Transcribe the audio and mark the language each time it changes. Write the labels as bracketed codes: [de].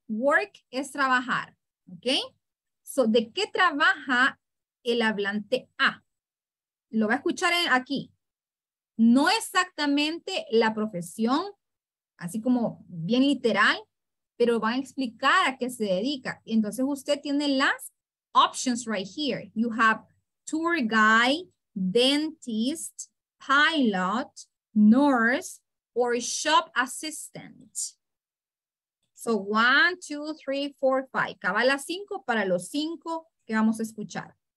[es] Work es trabajar, okay? So, ¿de qué trabaja el hablante A? Lo va a escuchar aquí. No exactamente la profesión, así como bien literal, pero va a explicar a qué se dedica. Entonces, usted tiene las [en] options right here. You have tour guide, dentist, pilot, nurse, or shop assistant. So one, two, three, four, five. [es] Cabala cinco para los cinco que vamos a escuchar.